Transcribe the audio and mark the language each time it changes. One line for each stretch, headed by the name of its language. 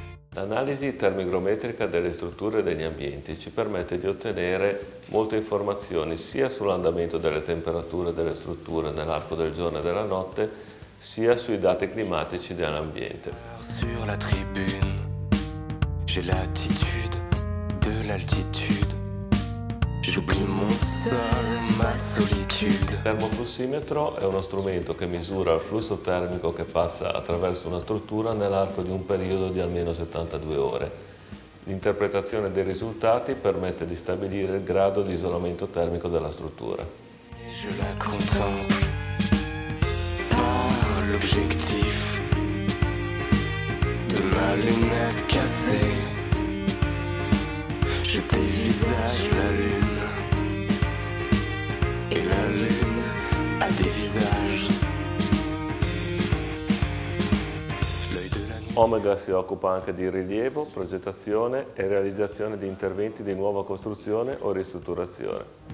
Italian: L'analisi termigrometrica delle strutture e degli ambienti ci permette di ottenere molte informazioni sia sull'andamento delle temperature delle strutture nell'arco del giorno e della notte, sia sui dati climatici dell'ambiente.
French: Sur la tribune, j'ai l'attitude de l'altitude. J'oublie mon sol, ma solitude.
Italian: Il termoflussimetro è uno strumento che misura il flusso termico che passa attraverso una struttura nell'arco di un periodo di almeno 72 ore. L'interpretazione dei risultati permette di stabilire il grado di isolamento termico della struttura.
French: Je la contemple. L'objectif de ma lunette cassée, je dévisage la lune et la lune a des visages.
Italian: Omega si occupa anche di rilievo, progettazione e realizzazione di interventi di nuova costruzione o ristrutturazione.